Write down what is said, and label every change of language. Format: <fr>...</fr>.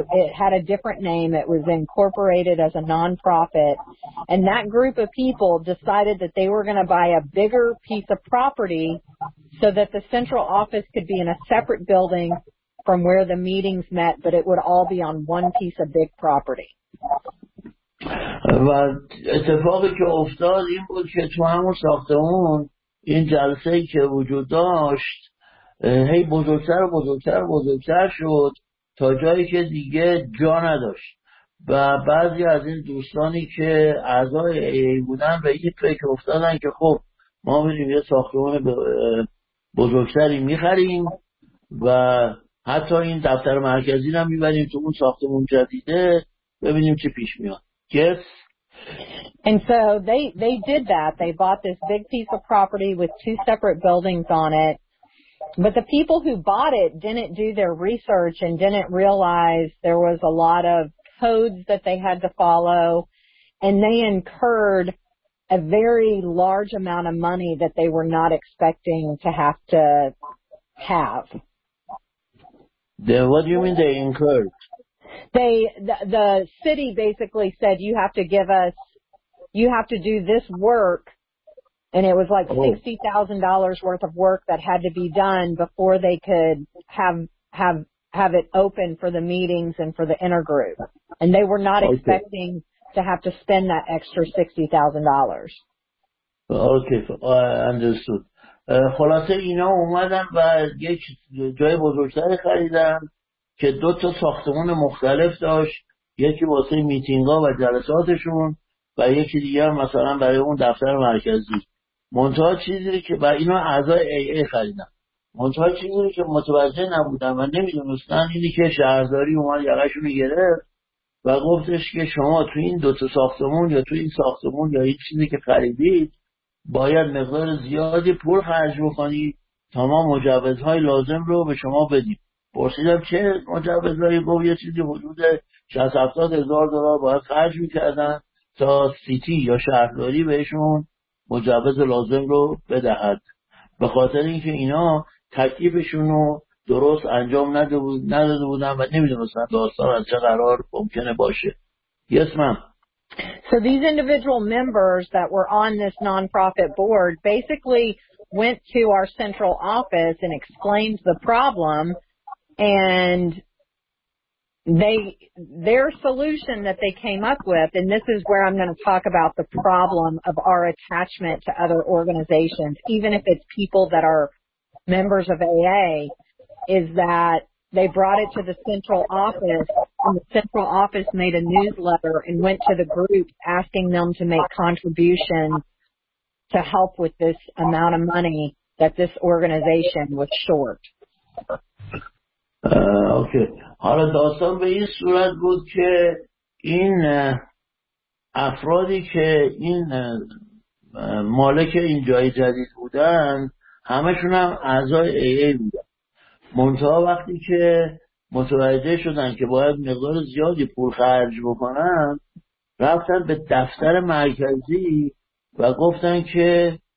<en>It had a different name. It was incorporated as a nonprofit. And that group of people decided that they were going to buy a bigger piece of property so that the central office could be in a separate building from where the meetings met, but it would all be on one piece of big property.</en> <fa>و اتفاقی که افتاد این بود که تو همون ساختمون این جلسه‌ای که وجود داشت هی بزرگتر و بزرگتر و بزرگتر شد تا جایی که دیگه جا نداشت و بعضی از این دوستانی که اعضای ای بودن به این فکر افتادن که خب ما می‌ریم یه ساختمون بزرگتری می‌خریم و حتی این دفتر مرکزی رو می‌بریم تو اون ساختمون جدیده ببینیم چه پیش میاد.</fa> <en>Yes. And so they did that. They bought this big piece of property with two separate buildings on it. But the people who bought it didn't do their research and didn't realize there was a lot of codes that they had to follow. And they incurred a very large amount of money that they were not expecting to have. Then what do you mean they incurred? The city basically said you have to do this work, and it was like $60,000 worth of work that had to be done before they could have it open for the meetings and for the intergroup, and they were not expecting to have to spend that extra $60,000. Okay, I understood.</en> <fa>خلاصه اینا اومدن و یک جای بزرگتر خریدن که دو تا ساختمان مختلف داشت، یکی واسه میتینگا و جلساتشون و یکی دیگه مثلا برای اون دفتر مرکزی. منتها چیزی که با اینا اعضای ای ای خریدن، منتها چیزی که متوجه نبودن و نمیدونستن اینی که شهرداری اومد یقشون رو گرفت و گفتش که شما تو این دو تا ساختمان یا تو این ساختمان یا هیچ چیزی که خریدید باید مقدار زیادی پول خرج بکنید تا ما مجوزهای لازم رو به شما بدیم. پرسیدم چه مجوزهایی؟ گفت یه چیزی حدود 60-70 هزار دلار باید خرج میکردن تا سیتی یا شهرداری بهشون مجوز لازم رو بدهد، به خاطر اینکه اینا تکلیفشون رو درست انجام نداده بودن و نمیدونستن داستان از چه قرار ممکنه باشه.</fa> <en>Yes, ma'am. So these individual members that were on this non-profit board basically went to our central office and explained the problem. And their solution that they came up with, and this is where I'm going to talk about the problem of our attachment to other organizations, even if it's people that are members of AA, is that they brought it to the central office, and the central office made a newsletter and went to the group asking them to make contributions to help with this amount of money that this organization was short. Okay.</en> <fa>حالا داستان به این صورت بود که این افرادی که این مالک این جای جدید بودن همشون هم اعضای AA بودن، منتها وقتی که متوجه شدن که باید مقدار زیادی پول خرج بکنن رفتن به دفتر مرکزی و گفتن که</fa>